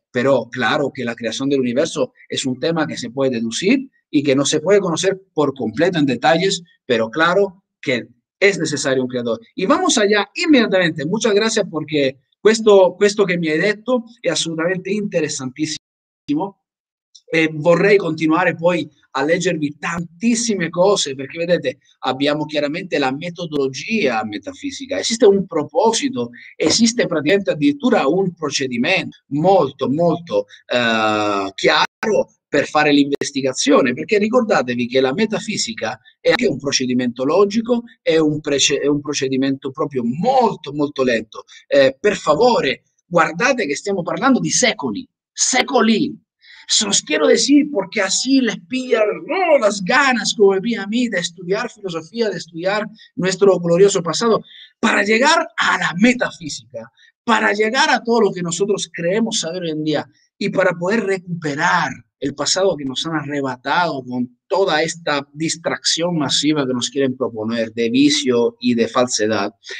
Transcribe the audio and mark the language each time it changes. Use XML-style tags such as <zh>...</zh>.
<es>Pero claro que la creación del universo es un tema que se puede deducir y que no se puede conocer por completo en detalles, pero claro que es necesario un creador. Y vamos allá inmediatamente. Muchas gracias porque esto que me he dicho es absolutamente interesantísimo.</es> <it>E vorrei continuare poi a leggervi tantissime cose, perché vedete, abbiamo chiaramente la metodologia metafisica, esiste un proposito, esiste praticamente addirittura un procedimento molto, molto chiaro per fare l'investigazione, perché ricordatevi che la metafisica è anche un procedimento logico, è un procedimento proprio molto, molto lento. Per favore, guardate che stiamo parlando di secoli, secoli.</it> <es>Sostiene sí, porque así les pilla las ganas, como me pilla a mí, de estudiar filosofía, de estudiar nuestro glorioso pasado, para llegar a la metafísica, para llegar a todo lo que nosotros creemos saber hoy en día y para poder recuperar el pasado que nos han arrebatado con toda esta distracción masiva que nos quieren proponer de vicio y de falsedad.</es>